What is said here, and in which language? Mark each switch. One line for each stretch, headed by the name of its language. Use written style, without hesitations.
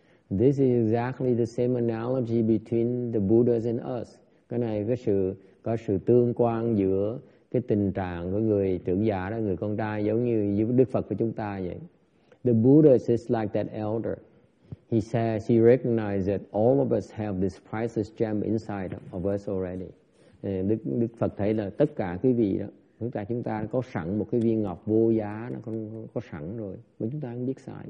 English: This is exactly the same analogy between the Buddhas and us.
Vietnamese: Cái này có sự tương quan giữa cái tình trạng của người trưởng giả đó, người con trai, giống như Đức Phật của chúng ta vậy.
English: The Buddha is like that elder. He says he recognizes that all of us have this priceless gem inside of us already.
Vietnamese: Đức Phật thấy là tất cả quý vị đó, chúng ta có sẵn một cái viên ngọc vô giá, nó có sẵn rồi, mà chúng ta không biết xài.